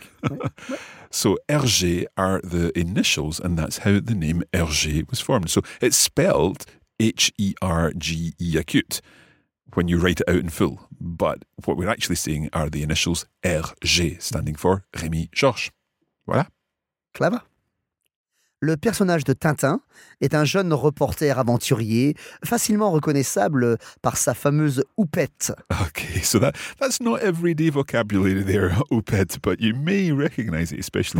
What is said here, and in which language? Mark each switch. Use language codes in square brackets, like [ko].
[en] Ah, So, RG are the initials, and that's how the name RG was formed. So, it's spelled H-E-R-G-E acute when you write it out in full. But what we're actually seeing are the initials RG, standing for Rémi Georges. [fr] Voilà. [en] Clever. [fr] Le personnage de Tintin est un jeune reporter aventurier, facilement reconnaissable par sa fameuse houppette. [en] Okay, so that's not everyday vocabulary there, houppette, but you may recognize it, especially